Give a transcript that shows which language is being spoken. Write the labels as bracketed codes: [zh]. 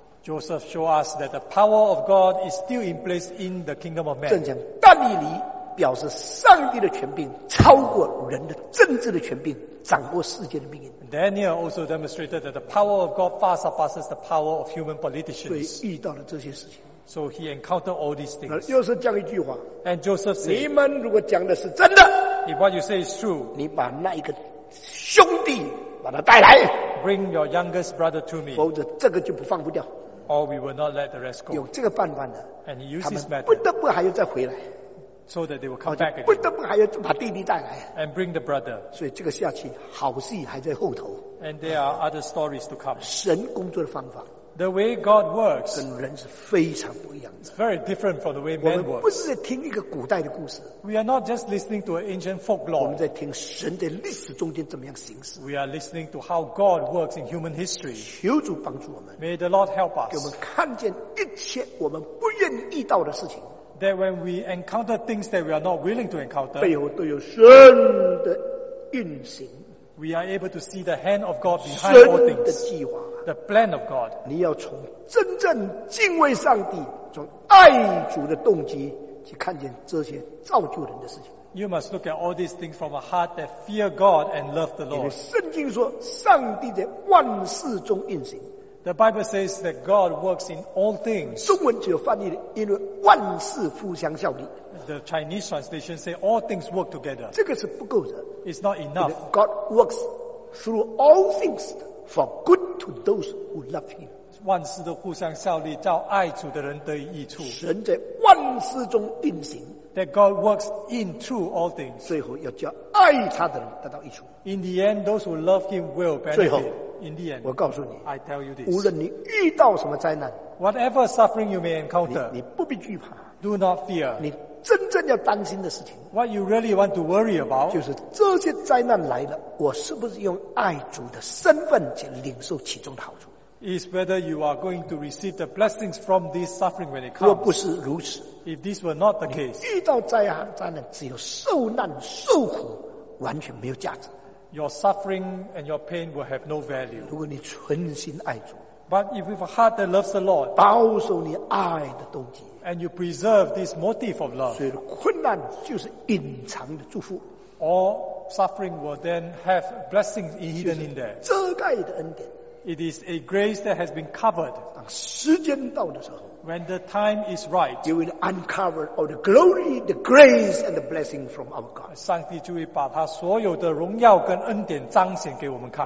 [en] Joseph showed us that the power of God is still in place in the kingdom of man. [zh] 正像但以理表示上帝的权柄超过人的政治的权柄，掌握世界的命运。 [en] Daniel also demonstrated that the power of God far surpasses the power of human politicians. [zh] 所以遇到了这些事情。 [en] So he encountered all these things. [zh] 又是讲一句话。 [en] And Joseph said, [zh] 你们如果讲的是真的 [en] ，If what you say is true, [zh] 你把那一个兄弟。把他带来 [en] ，Bring your youngest brother to me， [zh] 否则这个就不放不掉。 [en] Or we will not let the rest go。 [zh] 有这个办法呢 [en] ，And he used his method。 [zh] 不得不还要再回来 [en] ，So that they will come back again。 [zh] 不得不还要把弟弟带来 [en] ，And bring the brother。 [zh] 所以这个下去好戏还在后头。 [en] And there are other stories to come。 [zh] 神工作的方法 [en] ，The way God works， [zh] 跟人是非常不一样的。 [en] It's very different from the way man works。 [zh] 我们不是在听一个古代的故事。 [en] We are not just listening to an ancient folklore. [zh] 我们在听神在历史中间怎么样行事。 [en] We are listening to how God works in human history. [zh] 求主帮助我们。 [en] May the Lord help us. [zh] 给我们看见一切我们不愿意遇到的事情。 [en] That when we encounter things that we are not willing to encounter, [zh] 背后都有神的运行。 [en] We are able to see the hand of God behind all things. [zh] 神的计划。 [en] The plan of God. [zh] 你要从真正敬畏上帝，从爱主的动机。去看见这些造就人的事情。 [en] You must look at all these things from a heart that fear God and love the Lord. [zh] 因为圣经说，上帝在万事中运行。 [en] The Bible says that God works in all things. [zh] 中文只有翻译的，因为万事互相效力。 [en] The Chinese translation says all things work together. [zh] 这个是不够的。 [en] It's not enough. God works through all things for good to those who love Him. [zh] 万事都互相效力，叫爱主的人得以益处。神在万事中运行。 [en] That God works in through all things. [zh] 最后要叫爱他的人得到益处。 [en] In the end, those who love Him will benefit. [zh] 最后 [en] ，In the end, [zh] 我告诉你 [en] ，I tell you this. [zh] 无论你遇到什么灾难 [en] ，Whatever suffering you may encounter, [zh] 你不必惧怕 [en] ，Do not fear. [zh] 你真正要担心的事情。 [en] What you really want to worry about？ [zh] 就是这些灾难来了，我是不是用爱主的身份去领受其中的好处 [en] ？Is whether you are going to receive the blessings from this suffering when it comes？ [zh] 若不是如此 [en] ，If this were not the case， [zh] 遇到灾难，只有受难受苦，完全没有价值。 [en] Your suffering and your pain will have no value。 [zh] 如果你存心爱主。 [en] But if you have a heart that loves the Lord, [zh] 保守你爱的动机 [en] and you preserve this motive of love, [zh] 所以困难就是隐藏的祝福 [en] all suffering will then have blessings hidden in there. [zh] 遮盖的恩典 [en] It is a grace that has been covered. [zh] 当时间到的时候 [en] when the time is right, you will uncover all the glory, the grace, and the blessing from our God. [zh] 上帝就会把他所有的荣耀跟恩典彰显给我们看。